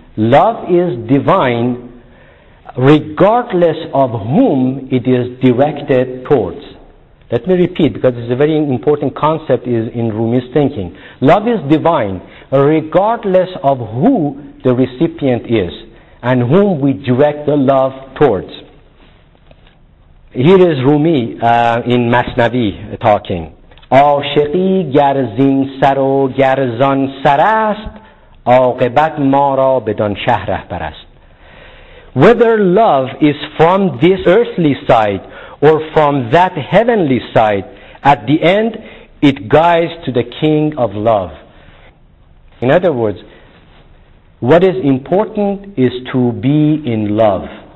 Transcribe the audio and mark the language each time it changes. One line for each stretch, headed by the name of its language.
English: Love is divine regardless of whom it is directed towards. Let me repeat, because it's a very important concept is in Rumi's thinking. Love is divine regardless of who the recipient is and whom we direct the love towards. Here is Rumi in Masnavi talking.
Persian: عاشقی گر زین سر و گر زان سر است عاقبت ما را بدان شهر رهبر است.
English: Whether love is from this earthly side or from that heavenly side, at the end it guides to the king of love. In other words, what is important is to be in love.